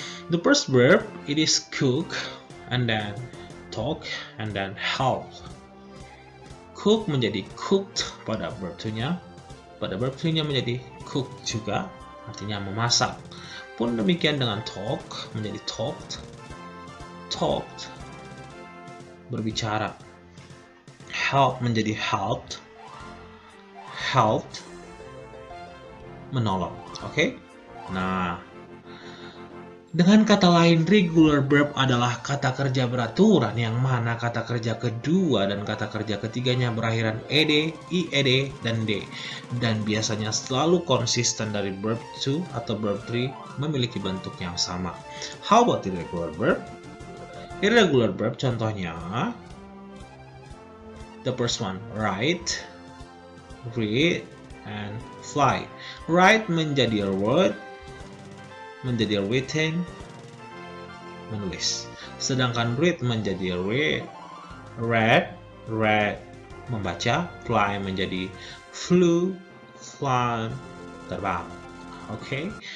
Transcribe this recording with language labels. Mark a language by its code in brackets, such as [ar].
[en] The first verb, it is cook, and then talk, and then help. [id] Cook menjadi cooked pada verb 2-nya. Pada verb 3-nya menjadi cook juga, artinya memasak. Pun demikian dengan talk, menjadi talked, talked, berbicara. Help menjadi helped, helped, menolong. Oke? Nah, dengan kata lain, regular verb adalah kata kerja beraturan yang mana kata kerja kedua dan kata kerja ketiganya berakhiran ed, ied, dan d. Dan biasanya selalu konsisten dari verb 2 atau verb 3 memiliki bentuk yang sama. [en] How about irregular verb? Irregular verb contohnya, the first one, write, read, and fly. [id] Write menjadi word, menjadi written, menulis. Sedangkan read menjadi read, membaca. Fly menjadi flew, flown, terbang. Okay.